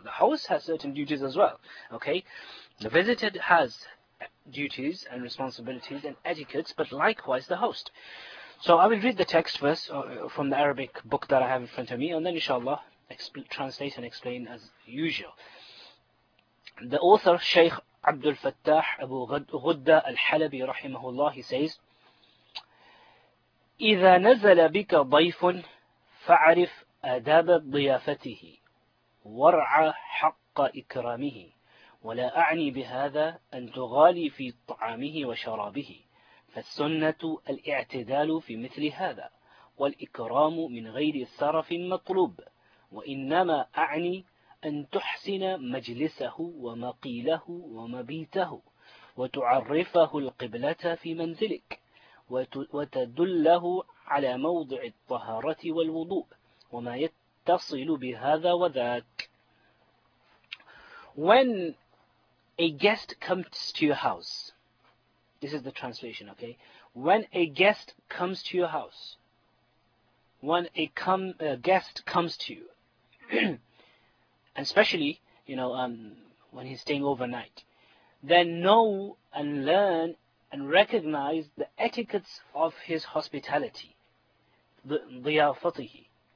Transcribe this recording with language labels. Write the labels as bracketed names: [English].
[English] The host has certain duties as well. Okay? The visitor has duties and responsibilities and etiquettes, but likewise the host. So I will read the text first from the Arabic book that I have in front of me, and then inshallah translate and explain as usual. The author, Shaykh Abdul Fattah Abu Ghudda Al-Halabi rahimahullah, he says, [Arabic] إِذَا نَزَلَ بِكَ ضَيْفٌ فَعَرِفْ أَدَابَ ضِيَافَتِهِ وَرْعَ حَقَّ إِكْرَامِهِ وَلَا أَعْنِي بِهَذَا أَنْ تُغَالِي فِي طَعَامِهِ وَشَرَابِهِ فَالسُنَّةُ الْإِعْتِدَالُ فِي مِثْلِ هَذَا وَالْإِكْرَامُ مِنْ غَيْرِ الصَّرَفٍ مَطْلُوبٍ وإنما أعني أن تحسن مجلسه ومقيله ومبيته وتعرفه القبلة في منزلك وتدله على موضع الطهارة والوضوء وما يتصل بهذا وذاك. [English] When a guest comes to your house, this is the translation, okay? When a guest comes to your house, when a guest comes to you, and especially, you know, when he's staying overnight, then know and learn and recognize the etiquettes of his hospitality, ضيافته.